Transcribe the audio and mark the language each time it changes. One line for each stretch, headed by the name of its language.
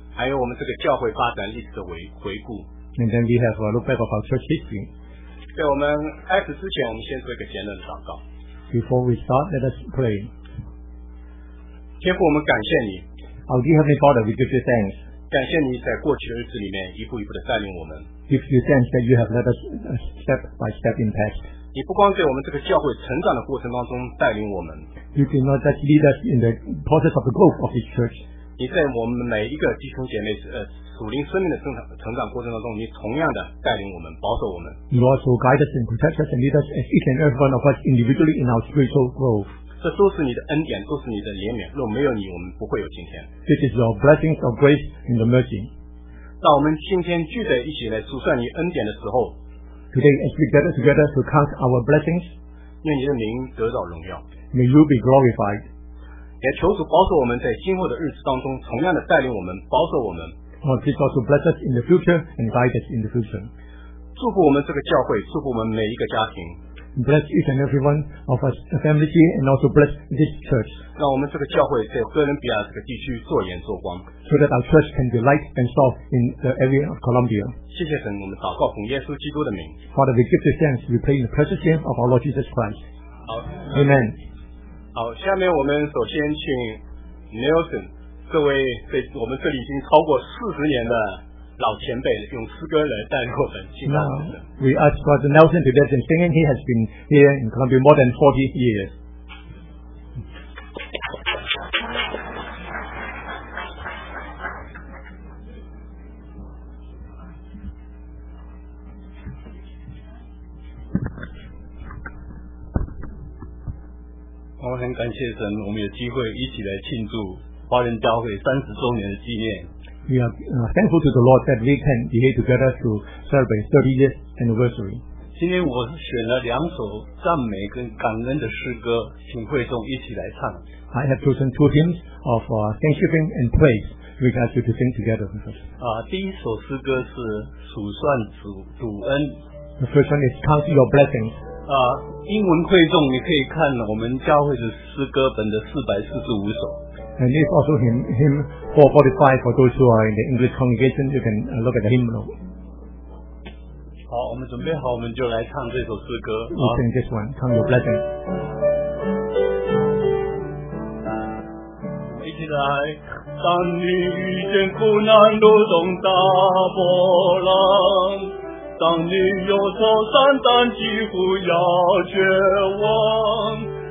Chinese: 还有我们这个教会发展历史的回顾
English: ，and then we have a look back of our church history。
Chinese: 在我们开始之前，我们先做一个简短的祷告。
English: Before we start, let us pray。
Chinese: 天父，我们感谢你。
English: Our dear Heavenly Father, we give you thanks。
Chinese: 感谢你在过去的日子里面一步一步的带领我们。
English: Give you thanks that you have led us step by step in past。
Chinese: 你不光在我们这个教会成长的过程当中带领我们。
English: You did not just lead us in the process of the growth of this church。
Chinese: 你在我们每一个弟兄姐妹属灵生命的成长过程当中，你同样的带领我们，保守我们。
English: You also guide us and protect us and lead us as each and every one of us individually in our spiritual growth。
Chinese: 这都是你的恩典，都是你的怜悯。若没有你，我们不会有今天。
English: This is your blessings of grace and mercy。
Chinese: 当我们今天聚在一起来数算你恩典的时候
English: ，Today as we gather together to count our blessings，
Chinese: 愿你的名得到荣耀。
English: May you be glorified。
Chinese: 也求主保守我们在今后的日子当中，同样的带领我们，保守我们。
English: Lord, please also bless us in the future and guide us in the future。
Chinese: 祝福我们这个教会，祝福我们每一个家庭。
English: Bless each and every one of us, the family here, and also bless this church.
Chinese: 让我们这个教会在哥伦比亚这个地区做盐做光。
English: So that our church can be light and salt in the area of Colombia.
Chinese: 谢谢神，我们祷告奉耶稣基督的名。
English: Father, we give this thanks. We pray in the precious name of our Lord Jesus Christ.
Chinese: 好
English: ，Amen.
Chinese: 好，下面我们首先请 Nelson 这位在我们这里已经超过40年的。老前辈用诗歌来带领我们敬拜神。
English: We ask Brother Nelson to listen singing. He has been here in Colombia more than 40 years.
Chinese: Oh, 我很感谢神，我们有机会一起来庆祝华人教会30周年的纪念。
English: We are thankful to the Lord that we can be here together to celebrate 30th anniversary.
Chinese: 今天我选了两首赞美跟感恩的诗歌，请会众一起来唱。
English: I have chosen two hymns of thanksgiving and praise. We ask you to sing together with us.
Chinese: 第一首诗歌是数算主恩。
English: The first one is count your blessings.
Chinese: 英文会众你可以看我们教会的诗歌本的445首。
English: And it's also hymn 445 for those who are in the English congregation. You can look at the hymn now.
Chinese: 好，我们准备好，我们就来唱这首诗歌。
English: We sing this one. Count your blessings.
Chinese: 一起来，当你遇见苦难如同大波浪，当你忧愁惨淡几乎要绝望。